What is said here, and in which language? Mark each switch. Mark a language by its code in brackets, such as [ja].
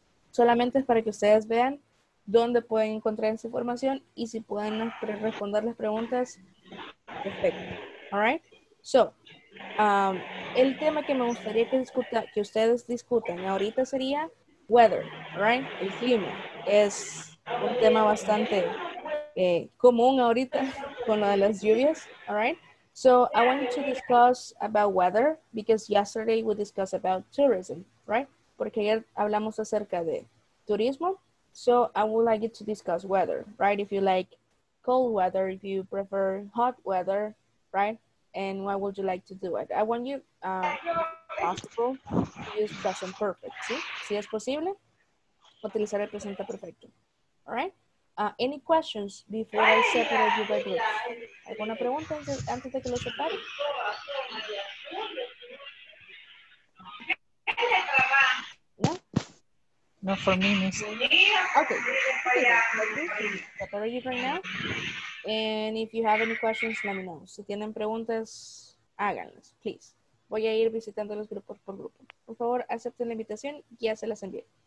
[es] Solamente es para que ustedes vean dónde pueden encontrar esa información y si pueden responder las preguntas. Perfecto. [en] Alright. [es] So, el tema que me gustaría que ustedes discutan ahorita sería weather, right? El clima. Es un tema bastante común ahorita con lo de las lluvias. [en] Alright. So, I want to discuss about weather because yesterday we discussed about tourism, right? [es] Porque ayer hablamos acerca de turismo. [en] So, I would like you to discuss weather, right? If you like cold weather, if you prefer hot weather, right? And why would you like to do it? I want you, possible, to use present perfect, [es] ¿sí? Si es posible, utilizar el presente perfecto, [en] all right? Any questions before I separate you by groups? [es] ¿Alguna pregunta antes de que lo separe? [en] No, for me, miss. Okay. Okay. Okay. Okay. Right now. And if you have any questions, let me know. [es] Si tienen preguntas, háganlas, [en] please. [es] Voy a ir visitándolos grupo por grupo. Por favor, acepten la invitación y ya se las envío.